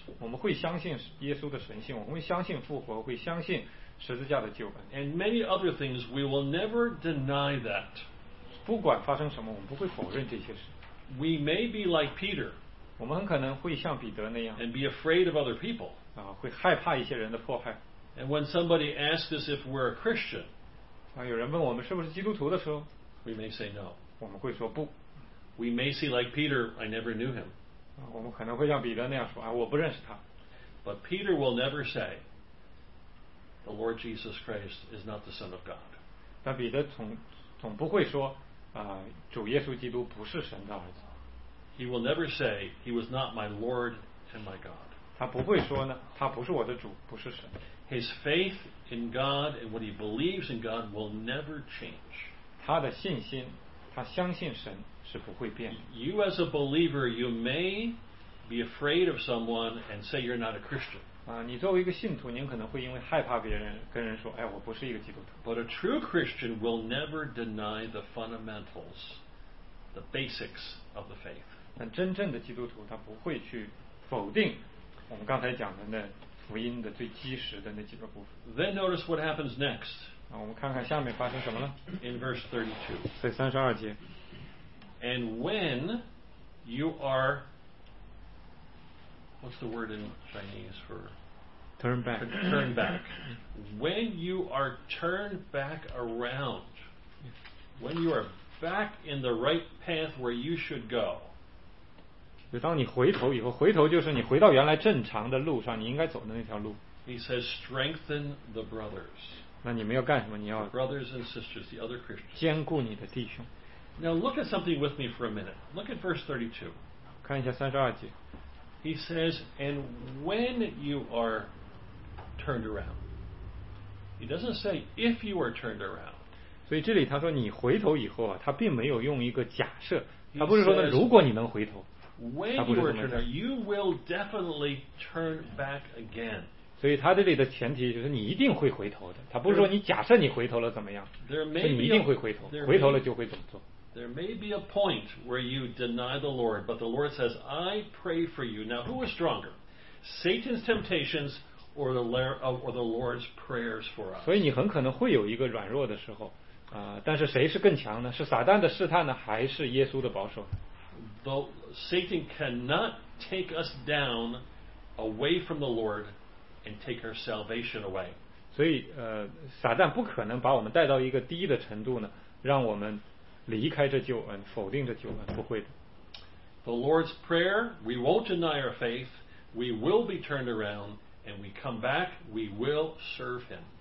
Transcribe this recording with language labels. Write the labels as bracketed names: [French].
[Chinese] 我们会相信耶稣的神性，我们会相信复活，会相信十字架的救恩。 [English] And many other things, we will never deny that. [Chinese] 不管发生什么，我们不会否认这些事。 [English] We may be like Peter. [Chinese] 我们很可能会像彼得那样。 [English] And be afraid of other people. [Chinese] 啊，会害怕一些人的迫害。 [English] And when somebody asks us if we're a Christian, [Chinese] 当有人问我们是不是基督徒的时候， [English] we may say no. [Chinese] 我们会说不。 [English] We may say like Peter, I never knew him. [Chinese] 我们可能会像彼得那样说，我不认识他。 [English] But Peter will never say, the Lord Jesus Christ is not the Son of God. [Chinese] 但彼得总不会说，主耶稣基督不是神的儿子。 [English] He will never say, he was not my Lord and my God. [Chinese] 他不会说呢，他不是我的主，不是神。 [English] His faith in God and what he believes in God will never change. [Chinese] 他的信心，他相信神是不会变的。 [English] You as a believer, you may be afraid of someone and say you're not a Christian. [Chinese] 你作为一个信徒，您可能会因为害怕别人跟人说，我不是一个基督徒。 [English] But a true Christian will never deny the fundamentals, the basics of the faith. [Chinese] 但真正的基督徒，他不会去否定。我们刚才讲的那福音的最基石的那几个部分。 [English] Then notice what happens next. [Chinese] 我们看看下面发生什么了。 [English] In verse 32. [Chinese] 在三十二节。 [English] And when you are, what's the word in Chinese for turn back? Turn back. When you are turned back around, when you are back in the right path where you should go. [Chinese] 就当你回头以后，回头就是你回到原来正常的路上，你应该走的那条路。 [English] He says, strengthen the brothers. [Chinese] 那你们要干什么？你要 [English] the brothers and sisters, the other Christians. [Chinese] 坚固你的弟兄。 [English] Now look at something with me for a minute. Look at verse 32. [Chinese] 看一下三十二节。 [English] He says, and when you are turned around. He doesn't say if you are turned around. [Chinese] 所以这里他说你回头以后啊，他并没有用一个假设。他不是说如果你能回头 [English] when you return you will definitely turn back again。 [Chinese] 所以他这里的前提就是你一定会回头的，他不是说你假设你回头了怎么样，是你一定会回头，回头了就会怎么做。 [English] There may be a point where you deny the Lord, but the Lord says, I pray for you. Now, who is stronger? Satan's temptations or the Lord's prayers for us? [Chinese] 所以你很可能会有一个软弱的时候，但是谁是更强呢？是撒旦的试探呢，还是耶稣的保守？ Satan cannot take us down away from the Lord and take our salvation away. 所以撒旦不可能把我们带到一个低的程度呢，让我们离开这救恩，否定这救恩，不会的。 [English] The Lord's prayer, we won't deny our faith, we will be turned around, and we come back, we will serve Him.